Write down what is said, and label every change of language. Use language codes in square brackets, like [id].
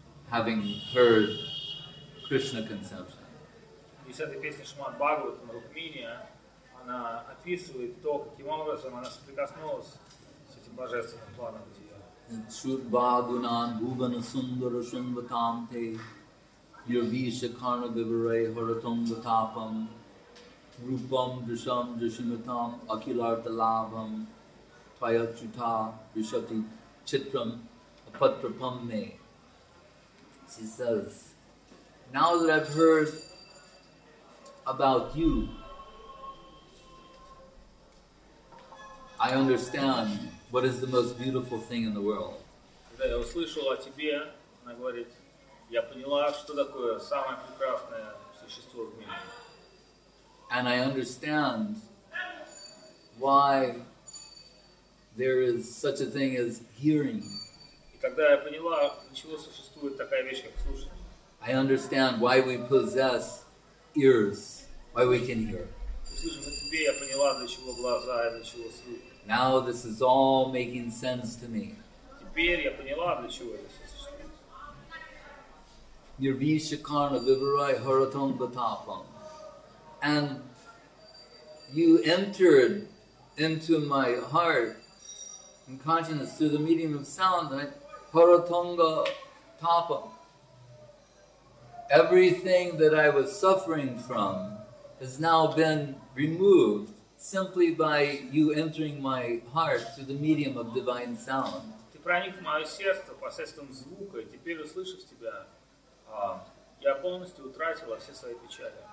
[en] Having heard Krishna conception. [ru] И с этой песни Шримад Бхагаватам Рукмини она описывает то, каким образом она соприкоснулась с этим божественным планом бытия. [sa] Шурбагунан бхувана сундара шунватам те йовиша карна гавирай харатам ватапам рупам джишам джишиматам акиларта лабам твайачута вишати читрам апатрапам ме. [en] She says, now that I've heard about you, I understand what is the most beautiful thing in the world. [ru] Когда я услышала о тебе, она говорит, я поняла, что такое самое прекрасное существо в мире. [en] And I understand why there is such a thing as hearing. [ru] Когда я поняла, для чего существует такая вещь, как слушание. [en] I understand why we possess ears, why we can hear. [ru] Слушая тебе, я поняла, для чего глаза и для чего слух. [en] Now this is all making sense to me. [ru] Теперь я поняла, для чего это все существует. [sa] Nirvisha karna vivarai haratam batapam. [en] And you entered into my heart and consciousness through the medium of sound, right? [sa] Haratanga tapam. [en] Everything that I was suffering from has now been removed simply by you entering my heart through the medium of divine sound. [ru] Ты проник в мое сердце посредством звука, и теперь, услышав тебя, я полностью утратила все свои печали.